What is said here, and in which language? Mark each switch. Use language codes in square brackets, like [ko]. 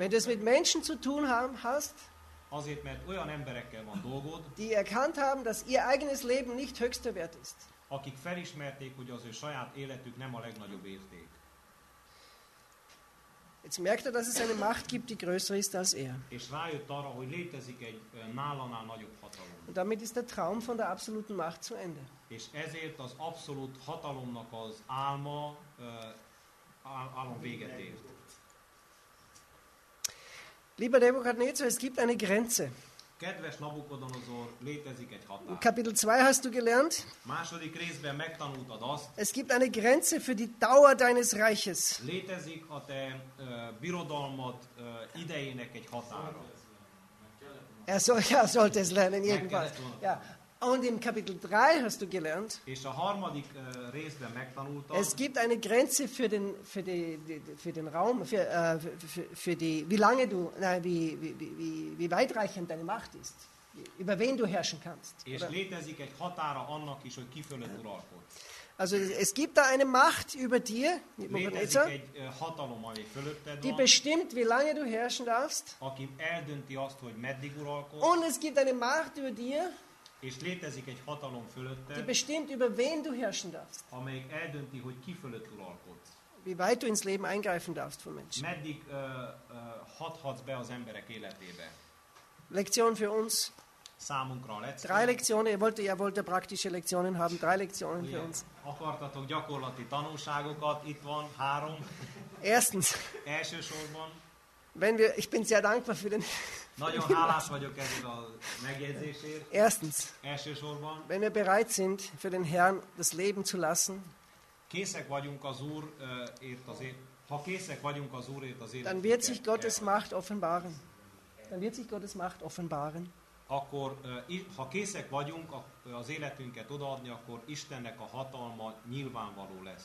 [de] Wenn du es mit Menschen zu tun hast, [hu] azért, mert olyan emberekkel van dolgod, [de] die erkannt haben, dass ihr eigenes Leben nicht höchster Wert ist. [hu] Akik felismerték, hogy az ő saját életük nem a legnagyobb érték. [de] Jetzt merkt er, dass es eine Macht gibt, die größer ist als er. [hu] És rájött arra, hogy létezik egy nálánál nagyobb hatalom. [de] Und damit ist der Traum von der absoluten Macht zu Ende. [hu] És ezért az abszolút hatalomnak az álma álom véget ért. [de] Lieber Nebukadnezar, es gibt eine Grenze. [hu] Kedves Nabukodonozor, létezik egy határ. [de] Kapitel 2 hast du gelernt. [hu] Második részben megtanultad azt. [de] Es gibt eine Grenze für die Dauer deines Reiches. [hu] Létezik a te birodalmad idejének egy határa. [de] Sollte es lernen, jedenfalls. Ja. Und im Kapitel 3 hast du gelernt. [hu] És a harmadik részben megtanultad. [de] Es gibt eine Grenze für den Raum, wie weitreichend deine Macht ist, über wen du herrschen kannst. [hu] És létezik egy határa annak is, hogy ki fölött uralkodsz. [de] Also es gibt da eine Macht über dir, Nebukadnezar, [hu] egy hatalom, ami fölötted van, [de] die bestimmt, wie lange du herrschen darfst. [hu] Aki eldönti azt, hogy meddig uralkodsz. [de] Und es gibt eine Macht über dir, [hu] és létezik egy hatalom fölötted, [de] die bestimmt, über wen du herrschen darfst. [hu] Amelyik eldönti, hogy ki fölött uralkodsz. [de] Wie weit du ins Leben eingreifen darfst von Menschen. [hu] Meddig hathatsz be az emberek életébe. [de] Lektion für uns. [hu] Számunkra a lecce. [de] Drei Lektionen, er wollte praktische Lektionen haben, drei Lektionen für uns. [hu] Akartatok gyakorlati tanulságokat, itt van, három. [de] Erstens. [hu] Elsősorban. [de] Ich bin sehr dankbar für den... [hu] Nagyon hálás vagyok ezért a megjegyzésért. [de] Erstens. [hu] Elsősorban. [de] Wenn wir bereit sind, für den Herrn das Leben zu lassen. [hu] Készek vagyunk az Úr ért az élet. Ha készek vagyunk az Úr ért az élet. [de] Dann wird sich Gottes Macht offenbaren. Dann wird sich Gottes Macht offenbaren. [hu] akkor ha készek vagyunk az életünket odaadni, akkor Istennek a hatalma nyilvánvaló lesz.